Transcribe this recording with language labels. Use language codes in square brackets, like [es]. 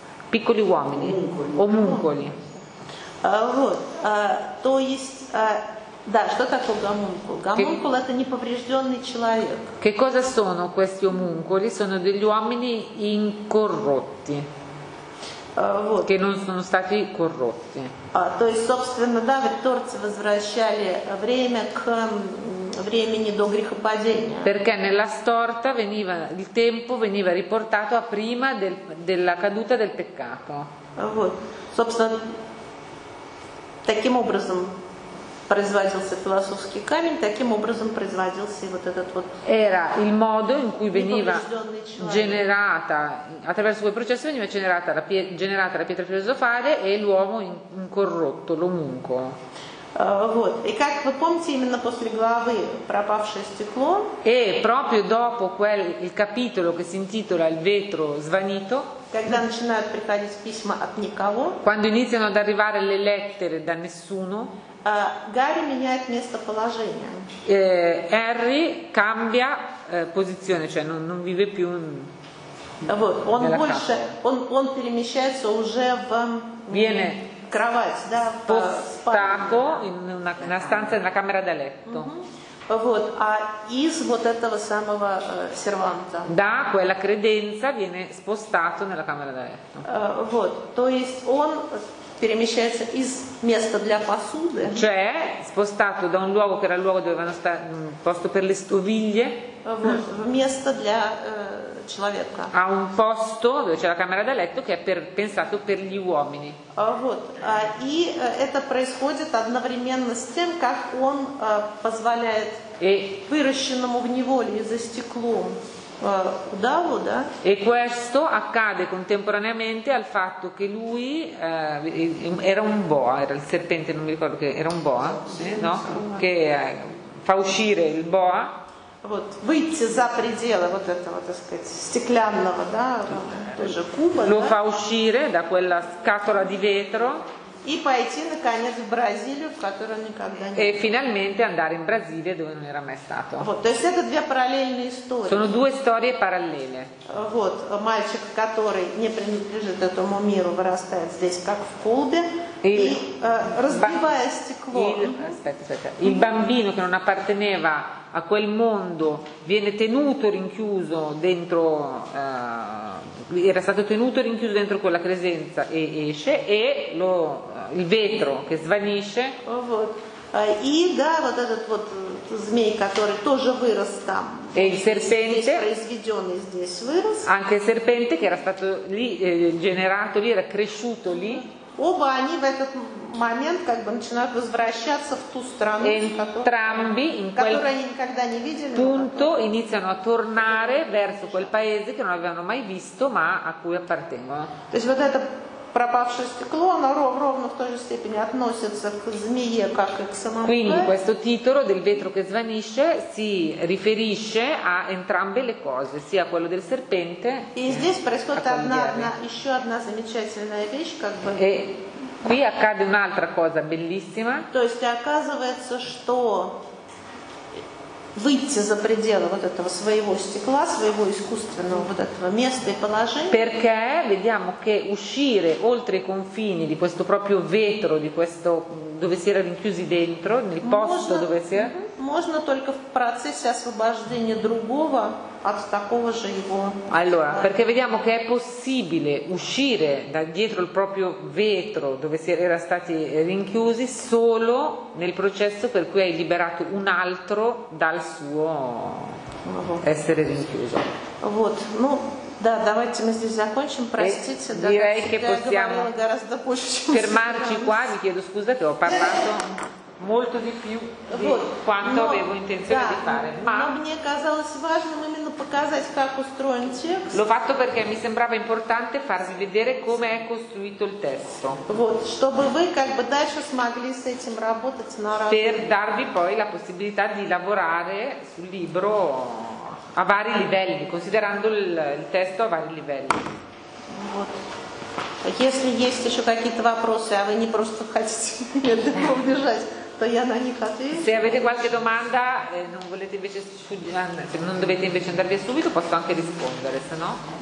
[it] Piccoli uomini, омункули. [ru] То есть, да, что такое гомункул? Гомункул это неповрежденный человек. [it] Che cosa sono questi omuncoli? Sono degli uomini incorrotti. [ru] Вот. [it] Che non sono stati corrotti. [ru] То есть, собственно, да, ритторцы возвращали время к времени до грехопадения. [it] Perché nella storta veniva il tempo veniva riportato a prima della caduta del peccato. [ru] Вот. Собственно, таким образом производился философский камень, таким образом производился вот этот вот. [it] Era il modo in cui veniva generata attraverso quel processo veniva generata la pietra filosofale e l'uomo incorrotto, l'omunco. [ru] Вот. И как вы помните, именно после главы «Пропавшее стекло»? [it] E proprio dopo il capitolo che si intitola «Il vetro svanito». [ru] Когда начинают приходить письма от никого? [it] Quando iniziano ad arrivare le lettere da nessuno? [ru] Гарри меняет местоположение. [it] Harry cambia posizione, cioè non vive più. [ru] Вот, он больше, он перемещается уже в [it] viene [ru] кровать, да, [it] спальню, in una stanza nella camera da letto. [ru] Вот, а из вот этого самого серванта. [it] Да, quella credenza viene spostato nella camera da letto. [ru] Вот, то есть он перемещается из места для посуды. [it] Cioè, spostato da un luogo che era il luogo dove vanno sta posto per le stoviglie. [ru] В место для человека. [it] A un posto dove c'è la camera da letto che è per, pensato per gli uomini. [ru] Вот. И это происходит одновременно с тем, как он позволяет выращенному в неволе за стеклом. Davo, da. [it] E questo accade contemporaneamente al fatto che lui era un boa, era il serpente, non mi ricordo che era un boa, sì, no? Sì. Che fa uscire il boa. [ru] Выйти за пределы вот этого, так сказать, стеклянного, да, тоже куба. [it] Lo fa uscire da quella scatola di vetro. [ru] И пойти наконец в Бразилию, в которую никогда не. [it] E finalmente andare in Brasile dove non era mai stato. [ru] Вот, то есть это две параллельные истории. [it] Sono due storie parallele. [ru] Вот, мальчик, который не принадлежит этому миру, вырастает здесь как в колбе и разбивая стекло. [it] Il bambino che non apparteneva a quel mondo viene tenuto rinchiuso dentro era stato tenuto rinchiuso dentro quella credenza e esce e lo il vetro che svanisce. [ru] И да, вот этот вот змей, который тоже вырос там. [it] E il serpente [ru] произведённый здесь вырос. [it] Anche il serpente che era stato lì generato lì, era cresciuto lì. [ru] Оба они в этот момент как бы начинают возвращаться в ту страну, которую они никогда не видели. [it] Punto iniziano a tornare verso quel paese che non avevano mai visto, ma a cui appartengono. [ru] То есть вот это пропавшее стекло, оно ровно в той же степени относится к змее, как и к самому. [it] Quindi questo titolo del vetro che svanisce si riferisce a entrambe le cose, sia quello del serpente. [ru] И здесь происходит еще одна замечательная вещь, как бы. [it] E qui accade un'altra cosa bellissima. [ru] То есть оказывается, что выйти за пределы вот этого своего стекла, своего искусственного вот этого места и положения. [it] Perché vediamo che uscire oltre i confini di questo proprio vetro, di questo dove si era rinchiusi dentro, nel posto dove si era. [ru] Можно только в процессе освобождения другого от такого же его. [it] Allora, perché vediamo che è possibile uscire da dietro il proprio vetro dove si era stati rinchiusi solo nel processo per cui hai liberato un altro dal suo essere rinchiuso. [ru] Вот, ну да, давайте мы здесь закончим, простите. Да, [it] direi che possiamo fermarci qua, vi chiedo scusa che ho parlato molto di più di вот, quanto avevo intenzione di fare. Ma [ru] мне казалось важным именно показать, как устроен текст. [it] L'ho fatto perché mi sembrava importante farvi vedere come è costruito il testo. [ru] Вот, чтобы вы как бы дальше смогли с этим работать на разных. [it] Per darvi poi la possibilità di lavorare sul libro a vari livelli, considerando il testo a vari livelli. [ru] Вот. Если есть еще какие-то вопросы, а вы не просто хотите от этого убежать, то я на них отвечу. [it] Se avete qualche domanda, non volete invece se non dovete invece andare via subito, posso anche rispondere, se no.